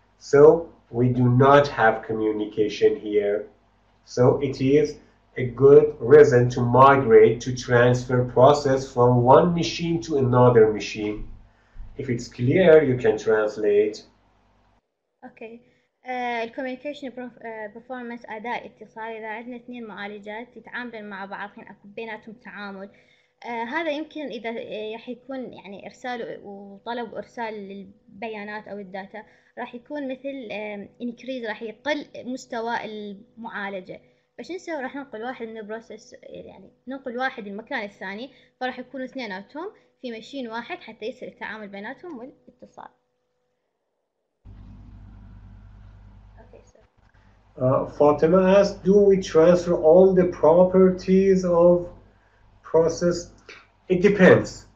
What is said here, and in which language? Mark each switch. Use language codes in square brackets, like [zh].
[en] So we do not have communication here. So it is a good reason to migrate, to transfer process from one machine to another machine. If it's clear, you can translate. Okay. الكوميونيكيشن performance [ar] اداء اتصال اذا عندنا اثنين معالجات يتعاملون مع بعضهم اكو بيناتهم تعامل هذا يمكن اذا راح يكون يعني ارسال وطلب ارسال للبيانات او الداتا راح يكون مثل انكريز راح يقل مستوى المعالجه فشو نسوي راح ننقل واحد من البروسيس يعني ننقل واحد المكان الثاني فراح يكونوا اثنيناتهم في ماشين واحد حتى يصير التعامل بيناتهم والاتصال [en] Fatima asked, do we transfer all the properties of process? It depends.